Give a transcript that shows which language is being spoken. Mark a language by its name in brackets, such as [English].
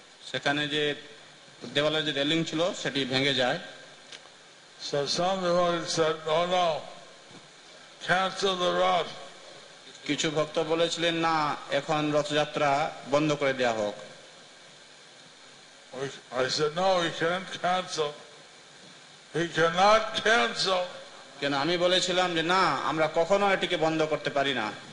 [Bangla] সেখানে যে দেওয়ালের যে রেলিং ছিল সেটি ভেঙে যায়। [English] So some devotees said, "Oh no, cancel the rath." [Bangla] কিছু ভক্ত বলেছিলেন, না এখন রথযাত্রা বন্ধ করে দেওয়া হোক। [English] I said, "No, we can't cancel. We cannot cancel." [Bangla] কেন আমি বলেছিলাম যে না আমরা কখনো এটিকে বন্ধ করতে পারি না।